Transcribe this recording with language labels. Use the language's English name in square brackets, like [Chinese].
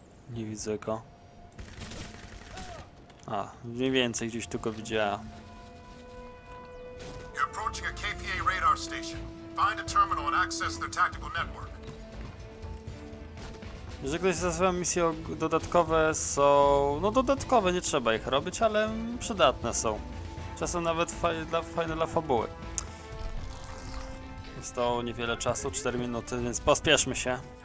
[Polish] Nie widzę go. A, mniej więcej gdzieś tu go widziałem. [English] You're approaching a KPA radar station. Find a terminal and access their tactical network. [Polish] Jeżeli ktoś zazwyczaj misje dodatkowe są... No dodatkowe, nie trzeba ich robić, ale przydatne są. Czasem nawet fajne dla fabuły. Jest to niewiele czasu, 4 minuty, więc pospieszmy się.